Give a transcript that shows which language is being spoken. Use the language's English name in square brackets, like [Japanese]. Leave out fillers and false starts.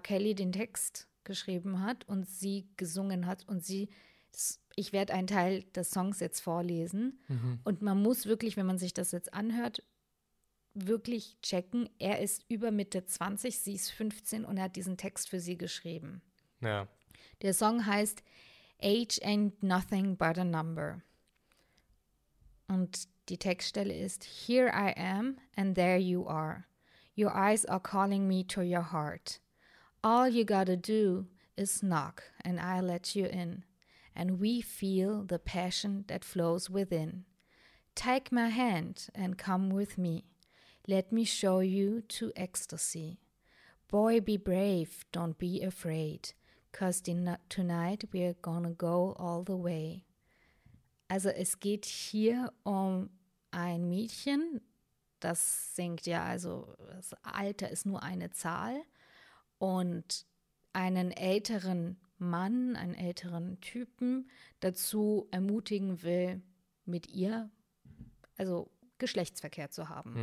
[German] Kelly den Text geschrieben hat und sie gesungen hat und sie, ich werde einen Teil des Songs jetzt vorlesen und man muss wirklich, wenn man sich das jetzt anhört, wirklich checken, er ist über Mitte 20, sie ist 15 und er hat diesen Text für sie geschrieben. Ja. Der Song heißt Age Ain't Nothing But a Number. Und die Textstelle ist [English] Here I am and there you are. Your eyes are calling me to your heart. All you gotta do is knock and I'll let you in. And we feel the passion that flows within. Take my hand and come with me. Let me show you to ecstasy. Boy, be brave, don't be afraid. Cause tonight we're gonna go all the way. [German] Also es geht hier um ein Mädchen. Das singt ja, also das Alter ist nur eine Zahl. Und einen älteren Mann, einen älteren Typen dazu ermutigen will, mit ihr, also Geschlechtsverkehr zu haben.